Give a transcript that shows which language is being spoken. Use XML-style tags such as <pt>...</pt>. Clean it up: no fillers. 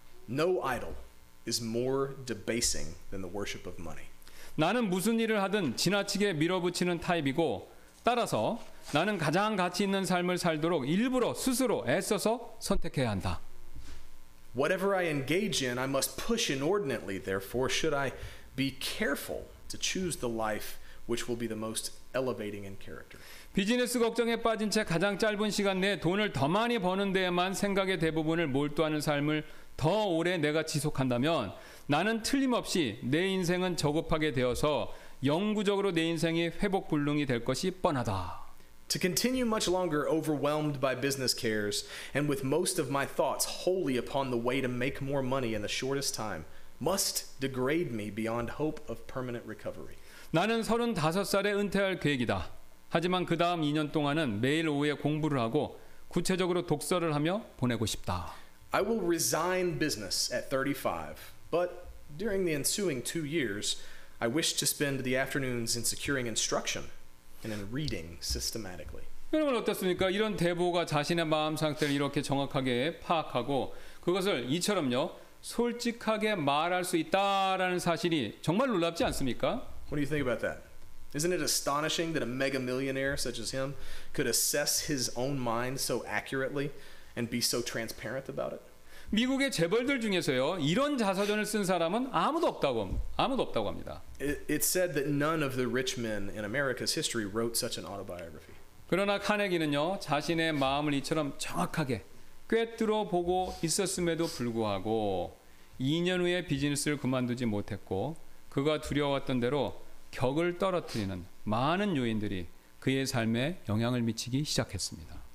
<en>No idol is more debasing than the worship of money.</en> <ko>나는 무슨 일을 하든 지나치게 밀어붙이는 타입이고 따라서 나는 가장 가치 있는 삶을 살도록 일부러 스스로 애써서 선택해야 한다.</ko> <en>Whatever I engage in, I must push inordinately. Therefore, should I be careful to choose the life which will be the most elevating in character?</en> <ko>비즈니스 걱정에 빠진 채 가장 짧은 시간 내에 돈을 더 많이 버는 데에만 생각의 대부분을 몰두하는 삶을 더 오래 내가 지속한다면 나는 틀림없이 내 인생은 저급하게 되어서 영구적으로 내 인생이 회복불능이 될 것이 뻔하다.</ko> <en>To continue much longer overwhelmed by business cares and with most of my thoughts wholly upon the way to make more money in the shortest time must degrade me beyond hope of permanent recovery.</en> <ko>나는 35살에 은퇴할 계획이다. 하지만 그 다음 2년 동안은 매일 오후에 공부를 하고 구체적으로 독서를 하며 보내고 싶다.</ko> <en>I will resign business at 35, but during the ensuing 2 years, I wish to spend the afternoons in securing instruction and in reading systematically.</en> <ko>여러분 어떻습니까? 이런 대보가 자신의 마음 상태를 이렇게 정확하게 파악하고 그것을 이처럼요 솔직하게 말할 수 있다라는 사실이 정말 놀랍지 않습니까?</ko> <en>What do you think about that? Isn't it astonishing that a mega millionaire such as him could assess his own mind so accurately and be so transparent about it?</en> <ko>미국의 재벌들 중에서요 이런 자서전을 쓴 사람은 아무도 없다고 합니다.</ko> <en>It said that none of the rich men in America's history wrote such an autobiography.</en> <ko>그러나 카네기는요 자신의 마음을 이처럼 정확하게 꿰뚫어 보고 있었음에도 불구하고 2년 후에 비즈니스를 그만두지 못했고 그가 두려웠던 대로 격을 떨어뜨리는 많은 요인들이 그의 삶에 영향을 미치기 시작했습니다.</ko>